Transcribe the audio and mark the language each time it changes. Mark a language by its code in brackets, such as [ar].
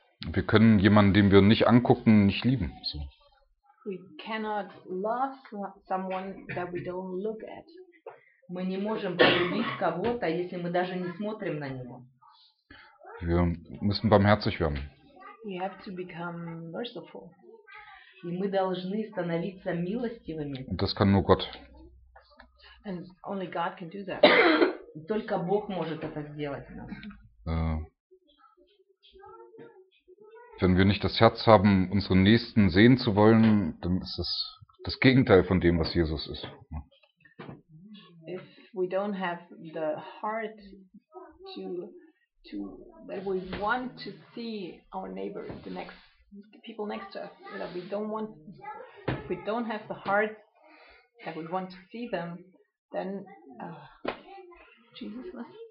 [de] Wir können jemanden, den wir nicht angucken, nicht lieben. So. [en] We cannot love someone that we don't look at. [ru] Мы не можем полюбить кого-то, если мы даже не смотрим на него. [de] Wir müssen barmherzig werden. [en] We have to become merciful. [ru] И мы должны становиться милостивыми. [de] Und das kann nur Gott. [en] And only God can do that. [ru] Только Бог может это сделать нам. [de] Wenn wir nicht das Herz haben, unseren Nächsten sehen zu wollen, dann ist das das Gegenteil von dem, was Jesus ist. [en] If we don't have the heart to that we want to see our neighbor, the next the people next to us, that we don't want, if we don't have the heart that we want to see them, then Jesus was